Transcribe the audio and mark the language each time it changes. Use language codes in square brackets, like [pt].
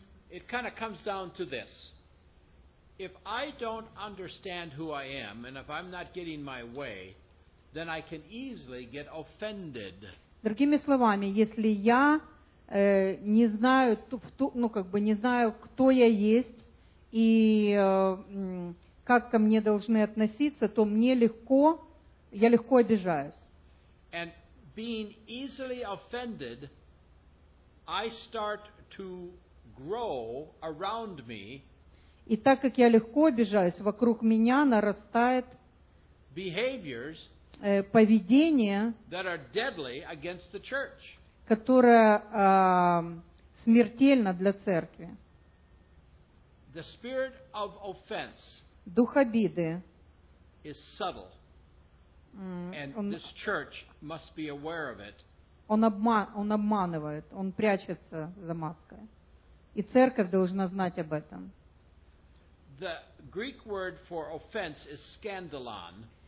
[en] It kind of comes down to this. If I don't understand who I am, and if I'm not getting my way, then I can easily get offended. [ru] Другими словами, если я не знаю, ну, как бы не знаю, кто я есть и как ко мне должны относиться, то мне легко, я легко обижаюсь. [en] And being easily offended, I start to grow around me. [ru] И так как я легко обижаюсь, вокруг меня нарастает [en] behaviors, [ru] поведение, [en] that are deadly against the church, [ru] которое смертельно для церкви. [en] The spirit of offense, [ru] дух обиды, [en] is subtle, and this church must be aware of it. [ru] Он обманывает, он прячется за маской. И церковь должна знать об этом. [en] The Greek word for offense is scandalon.